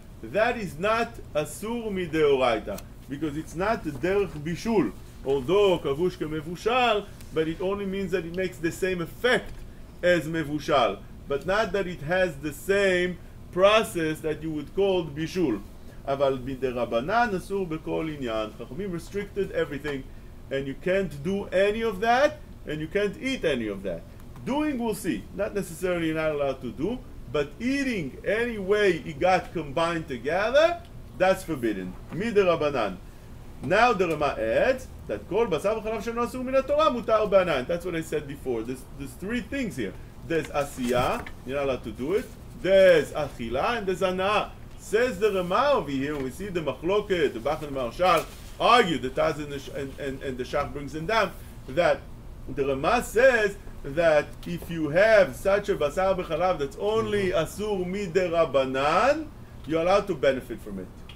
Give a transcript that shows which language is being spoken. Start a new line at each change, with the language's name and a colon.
English: That is not asur mideoraita, because it's not derech bishul. Although kavush kemevushal, but it only means that it makes the same effect as mevushal, but not that it has the same process that you would call bishul.
Hebrew: אבל מדרבנן אסור בכל עניין.
English: חכמים restricted everything, and you can't do any of that, and you can't eat any of that. Doing, we'll see. Not necessarily not allowed to do, but eating any way it got combined together, that's forbidden.
Hebrew: מדרבנן.
English: Now the Rama adds that
Hebrew: כל בשר וחלב שאינו אסור מן התורה מותר בענן.
English: That's what I said before. There's three things here. There's עשייה, you're not allowed to do it. There's אכילה, and there's הנאה. Says the Rama over here, and we see the Machloket, the Bach and the Marshal argue, the Taz and the Shach brings them down, that the Rama says that if you have such a basar b'chalav that's only asur mid-rabanan, you're allowed to benefit from it.